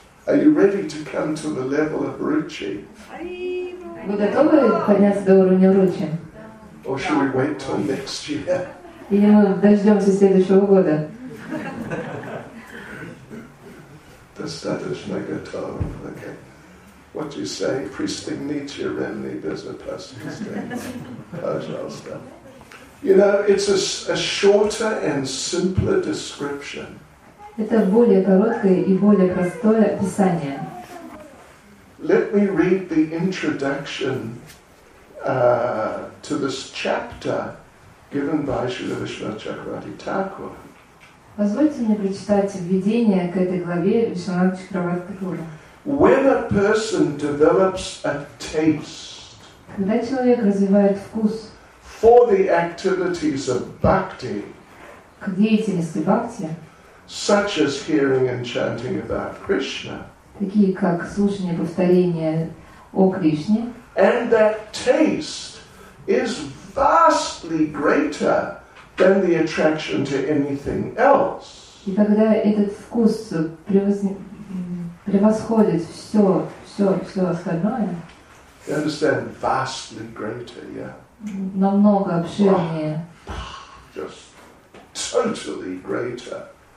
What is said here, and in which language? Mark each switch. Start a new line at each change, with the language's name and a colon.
English: Are you ready to come to the level of Ruchi?
Russian: Вы готовы подняться до уровня Ручи?
English: Or should we wait till next year?
Russian: Или мы дождемся следующего года? Достаточно готов.
English: Okay. What do you say?
Russian: Пристегните ремни безопасности. Пожалуйста.
English: You know, it's a shorter and simpler description.
Russian: Это более короткое и более простое описание.
English: Let me read the introduction to this chapter given by Śrīla Viṣṇava Chakravarti Thakura.
Russian: Позвольте мне прочитать введение к этой главе Viṣṇava Chakravarti Thakura.
English: When a person develops a taste,
Russian: когда человек развивает вкус,
English: for the activities of bhakti,
Russian: к деятельности бхакти,
English: such as hearing and chanting about Krishna,
Russian: такие как слушание повторения о Кришне.
English: And that taste is vastly greater than the attraction to anything else.
Russian: И тогда этот вкус превосходит все, все, все остальное.
English: You understand? Vastly greater, yeah.
Russian: Намного обширнее.
English: Just totally greater.